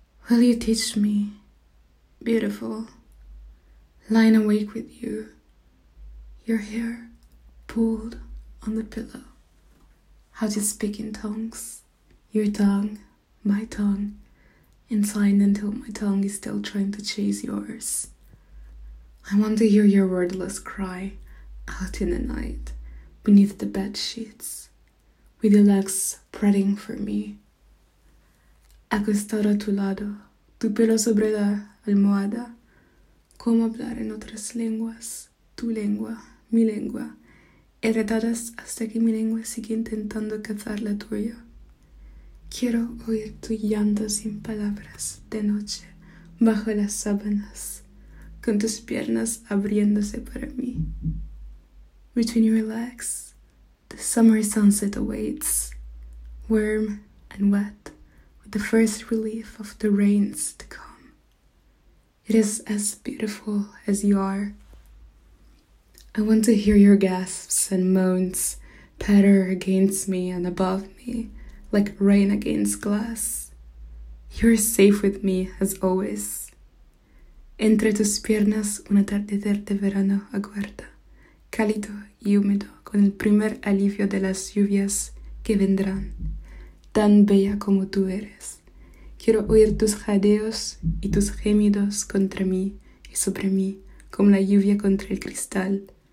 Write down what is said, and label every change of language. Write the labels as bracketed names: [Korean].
[English] Will you teach me, beautiful, lying awake with you, your hair pulled on the pillow, how to speak in tongues, your tongue, my tongue, in sign until my tongue is still trying to chase yours. I want to hear your wordless cry out in the night, beneath the bed sheets, with your legs spreading for me. [Spanish] Acostada a tu lado, tu pelo sobre la almohada, como hablar en otras lenguas, tu lengua, heredadas hasta que mi lengua sigue intentando cazar la tuya. Quiero oír tu llanto sin palabras de noche, bajo las sábanas, con tus piernas abriéndose para mí. [English] Between your legs, the summer sunset awaits, warm and wet, the first relief of the rains to come. It is as beautiful as you are. I want to hear your gasps and moans patter against me and above me, like rain against glass. You are safe with me, as always. [Spanish] Entre tus piernas un atardecer de verano aguarda, cálido y húmedo, con el primer alivio de las lluvias que vendrán. Tan bella como tú eres. Quiero oír tus jadeos y tus gemidos contra mí y sobre mí, como la lluvia contra el cristal.